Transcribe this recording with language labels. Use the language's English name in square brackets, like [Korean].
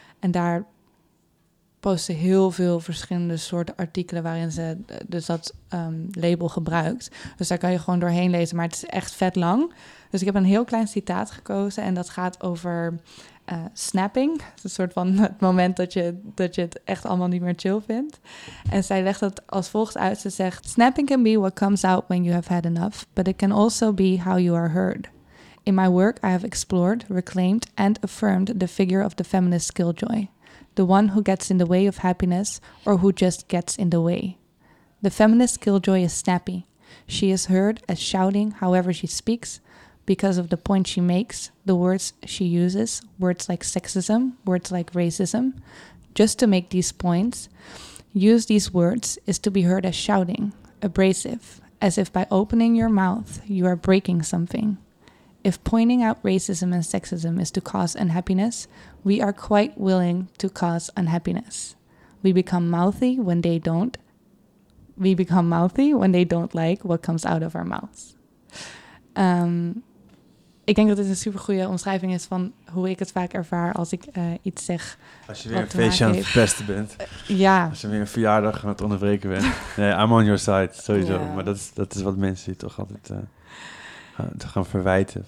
[Dutch] En daar post ze heel veel verschillende soorten artikelen waarin ze dus dat label gebruikt. Dus daar kan je gewoon doorheen lezen, maar het is echt vet lang. Dus ik heb een heel klein citaat gekozen en dat gaat over snapping. Het is een soort van het moment dat je het echt allemaal niet meer chill vindt. En zij legt het als volgt uit. Ze zegt, [English] snapping can be what comes out when you have had enough, but it can also be how you are heard. In my work, I have explored, reclaimed and affirmed the figure of the feminist killjoy. The one who gets in the way of happiness or who just gets in the way. The feminist killjoy is snappy. She is heard as shouting however she speaks, because of the point she makes, the words she uses, words like sexism, words like racism, just to make these points, use these words is to be heard as shouting, abrasive, as if by opening your mouth, you are breaking something. If pointing out racism and sexism is to cause unhappiness, we are quite willing to cause unhappiness. We become mouthy when they don't. We become mouthy when they don't like what comes out of our mouths. [Dutch] Ik denk dat dit een supergoeie omschrijving is van hoe ik het vaak ervaar als ik iets zeg. Als je weer een feestje aan het verpesten bent. Ja. Als je weer een verjaardag aan het onderbreken bent. Nee, [English] I'm on your side, [Dutch] sowieso. Ja. Maar dat is wat mensen je toch altijd gaan verwijten.